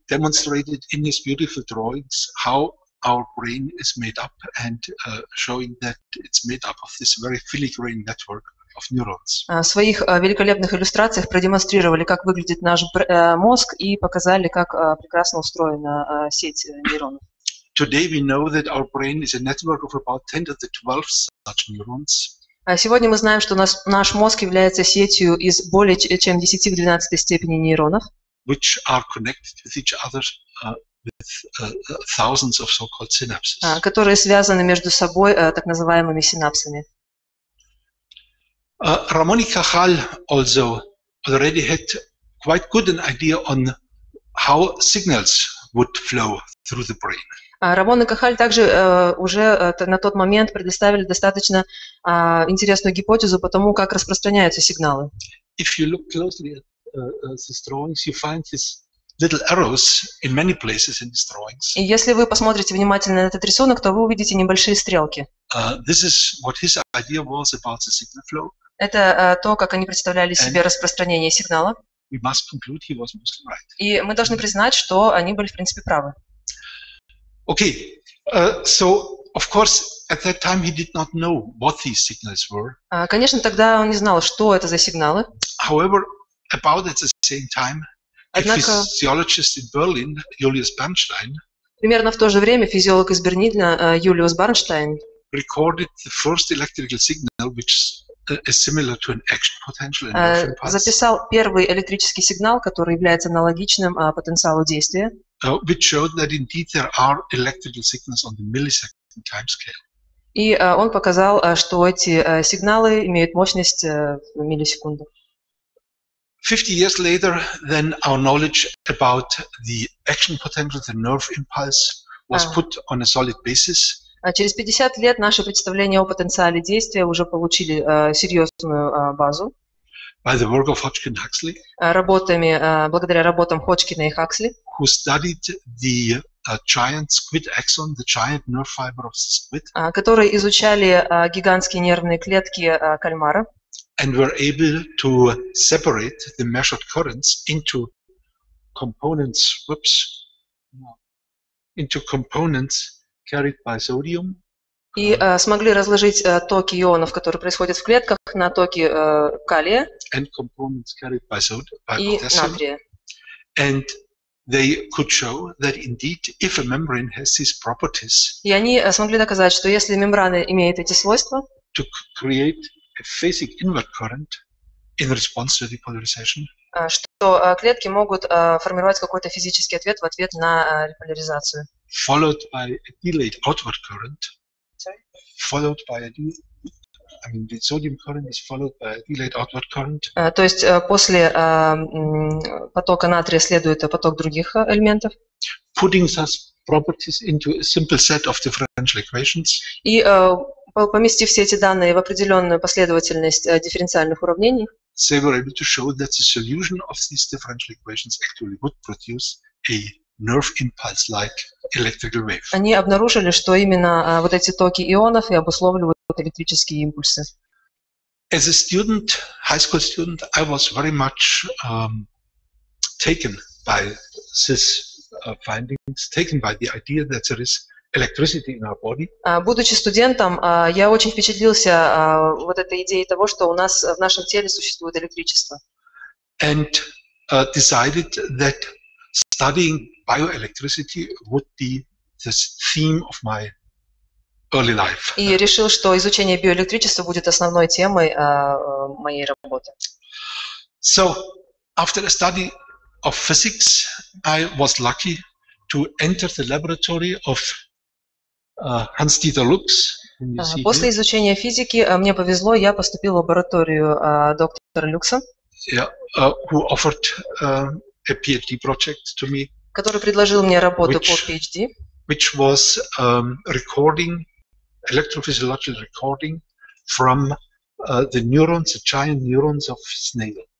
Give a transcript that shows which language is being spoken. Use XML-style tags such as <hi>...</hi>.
<en>demonstrated in his beautiful drawings how our brain is made up and showing that it's made up of this very filigree network of neurons.</en> <ru>В своих великолепных иллюстрациях продемонстрировали, как выглядит наш мозг и показали, как прекрасно устроена сеть нейронов.</ru> <en>Today we know that our brain is a network of about 10 to the 12 such neurons.</en> <ru>Сегодня мы знаем, что наш мозг является сетью из более чем 10 в 12 степени нейронов,</ru> <en>which are connected with each other with thousands of so-called synapses.</en> <ru>Которые связаны между собой так называемыми синапсами.</ru> <en>Рамон и Кахаль also already had quite good an idea on how signals would flow through the brain.</en> <ru>Рамон и Кахаль также уже на тот момент предоставили достаточно интересную гипотезу по тому, как распространяются сигналы.</ru> <en>If you look closely at these drawings, you find this little arrows in many places in these drawings.</en> <ru>И если вы посмотрите внимательно на этот рисунок, то вы увидите небольшие стрелки.</ru> <en>This is what his idea was about the signal flow.</en> <ru>Это то, как они представляли себе распространение сигнала.</ru> <en>We must conclude he was most right.</en> <ru>И мы должны признать, что они были в принципе правы.</ru> <en>Okay. So of course at that time he did not know what these signals were.</en> <ru>Конечно, тогда он не знал, что это за сигналы.</ru> <en>However, about at the same time, a physiologist in Berlin, Julius Bernstein,</en> <ru>примерно в то же время физиолог из Берлина Юлиус Барнштейн</ru> <en>recorded the first electrical signal which is similar to an action potential in different parts.</en> <ru>Записал первый электрический сигнал, который является аналогичным потенциалу действия.</ru> <en>Which showed that indeed there are electrical signals on the millisecond timescale.</en> <ru>И он показал, что эти сигналы имеют мощность в миллисекунду.</ru> <en>50 years later, then our knowledge about the action potential, the nerve impulse, was put on a solid basis.</en> <ru>Через 50 лет наше представление о потенциале действия уже получили серьезную базу.</ru> <en>By the work of Hodgkin and Huxley.</en> <ru>Благодаря работам Ходжкина и Хаксли.</ru> <en>Who studied the giant squid axon, the giant nerve fiber of the squid.</en> <ru>Которые изучали гигантские нервные клетки кальмара.</ru> <en>And were able to separate the measured currents into components. Into components carried by sodium.</en> <ru>И смогли разложить токи ионов, которые происходят в клетках, на токи калия</ru> <en>and components carried by sodium,</en> <ru>и натрия.</ru> <en>And they could show that indeed, if a membrane has these properties,</en> <ru>и они смогли доказать, что если мембрана имеет эти свойства,</ru> <en>to create a phasic inward current in response to the polarization,</en> <ru>что клетки могут формировать какой-то физический ответ в ответ на поляризацию.</ru> <en>Followed by a delayed outward current. Followed by a, I mean, the sodium current is followed by a delayed outward current.</en> <ru>То есть после потока натрия следует поток других элементов.</ru> <en>Putting such properties into a simple set of differential equations.</en> <ru>И поместив все эти данные в определенную последовательность дифференциальных уравнений.</ru> <en>They were able to show that the solution of these differential equations actually would produce a nerve impulse-like electrical wave.</en> <ru>Они обнаружили, что именно вот эти токи ионов и обусловливают электрические импульсы.</ru> <en>As a student, high school student, I was very much taken by this findings, taken by the idea that there is electricity in our body.</en> <ru>Будучи студентом, я очень впечатлился вот этой идеей того, что у нас в нашем теле существует электричество.</ru> <en>And decided that studying bioelectricity would be the theme of my early life.</en> <ru>И решил, что изучение биоэлектричества будет основной темой моей работы.</ru> <en>So, after a study of physics, I was lucky to enter the laboratory of Hans-Dieter Lux.</en> <ru>После изучения физики мне повезло, я поступил в лабораторию доктора Люкса.</ru> <en>Yeah, who offered a PhD project to me.</en> <ru>Который предложил мне работу по PhD,</ru> <en>which was recording electrophysiological recording from the neurons, the giant neurons of snail.</en>